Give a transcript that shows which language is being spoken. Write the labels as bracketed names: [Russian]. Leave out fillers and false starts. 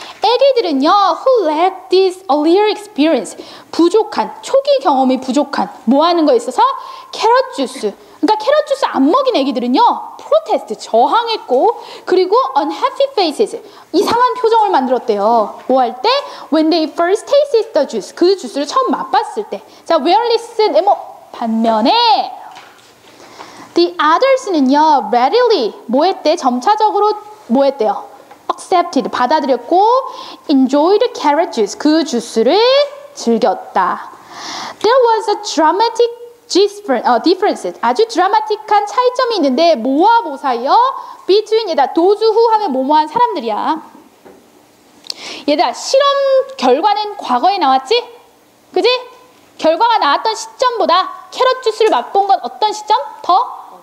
[Korean] 애기들은요, [English] who lack this earlier experience, [Korean] 부족한, 초기 경험이 부족한, 뭐 하는 거 있어서? 캐럿 주스. 그러니까 캐럿 주스 안 먹인 애기들은요, protest, 저항했고, 그리고 [English] unhappy faces, [Korean] 이상한 표정을 만들었대요. 뭐 할 때? [English] When they first tasted the juice, [Korean] 그 주스를 처음 맛봤을 때. 자, [English] where is the, [Korean] 뭐, 반면에, The others는요, readily 뭐 했대? 점차적으로 뭐 했대요? [English] Accepted [Korean] 받아들였고, [English] enjoyed carrot juice [Korean] 그 주스를 즐겼다. [English] There was a dramatic difference. [Korean] 아주 드라마틱한 차이점이 있는데 뭐와 뭐 사이요? Between 얘다 [English] those who [Korean] 하면 뭐뭐한 사람들이야. 얘들아, 실험 결과는 과거에 나왔지? 그지? 결과가 나왔던 시점보다 캐럿 주스를 맛본 건 어떤 시점? 더?